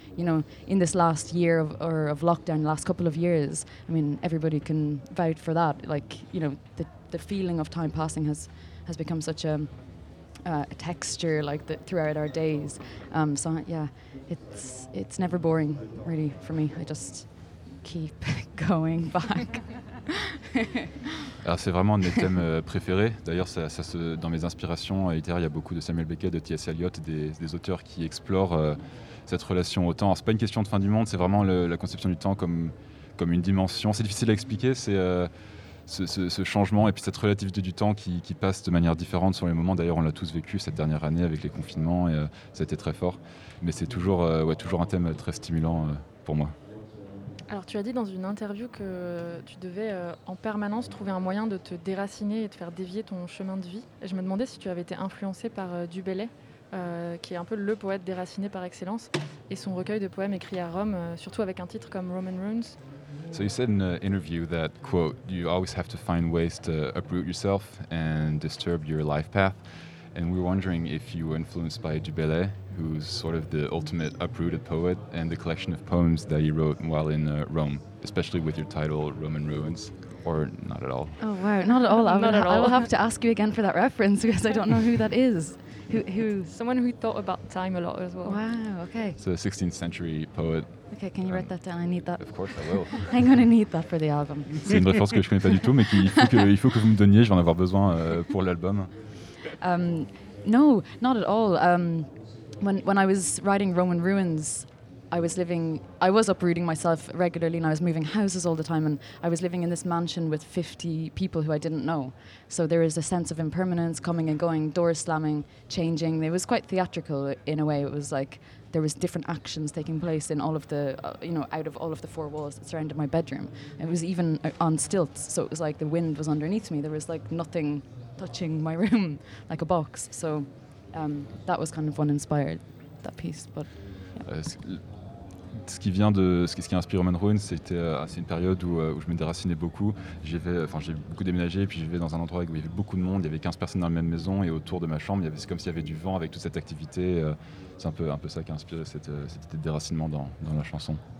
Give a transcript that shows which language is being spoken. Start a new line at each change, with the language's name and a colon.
English: You know, in this last year of lockdown, last couple of years, I mean, everybody can vouch for that. Like, you know, the feeling of time passing has become such a texture, like, throughout our days. So yeah, it's never boring, really, for me. I just keep going back.
French: Alors c'est vraiment un des thèmes préférés. D'ailleurs, ça dans mes inspirations littéraires, il y a beaucoup de Samuel Beckett, de T.S. Eliot, des auteurs qui explorent cette relation au temps. Alors, c'est pas une question de fin du monde, c'est vraiment la conception du temps comme une dimension. C'est difficile à expliquer, c'est ce changement et puis cette relativité du temps qui passe de manière différente sur les moments. D'ailleurs, on l'a tous vécu cette dernière année avec les confinements et ça a été très fort. Mais c'est toujours un thème très stimulant pour moi. Alors, tu as dit dans une interview que tu devais en permanence trouver un moyen de te déraciner et de faire dévier ton chemin de vie. Et je me demandais si tu avais été influencé par Du Bellay, qui est un peu le poète déraciné par excellence, et son recueil de poèmes écrit à Rome, surtout avec un titre comme Roman Runes.
English: So you said in an interview that, quote, you always have to find ways to uproot yourself and disturb your life path. And we were wondering if you were influenced by Du Bellay, who's sort of the ultimate uprooted poet, and the collection of poems that you wrote while in Rome, especially with your title Roman Ruins, or not at all? Oh wow, not at all. I will have to ask you again for that reference because I don't know who that is. Who? Someone who thought about time a lot as well. Wow. Okay. So a 16th century poet. Okay, can you write that down? I need that. Of course, I will. I'm going to need that for the album.
French: C'est une référence que je connais pas du tout, mais il faut que vous me donniez. Je vais en avoir besoin pour l'album.
English: No, not at all. When I was writing Roman Ruins, I was uprooting myself regularly and I was moving houses all the time and I was living in this mansion with 50 people who I didn't know. So there is a sense of impermanence coming and going, doors slamming, changing. It was quite theatrical in a way. It was like there was different actions taking place in all of the, you know, out of all of the four walls that surrounded my bedroom. It was even on stilts, so it was like the wind was underneath me. There was like nothing touching my room like a box. So that was kind of what inspired that piece. But
French: ce qui inspire Roman Ruins, c'était c'est une période où je me déracinais beaucoup. J'ai beaucoup déménagé, puis je vivais dans un endroit où il y avait beaucoup de monde. Il y avait 15 personnes dans la même maison et autour de ma chambre, c'est comme s'il y avait du vent avec toute cette activité. C'est un peu ça qui a inspiré cette déracinement dans la chanson.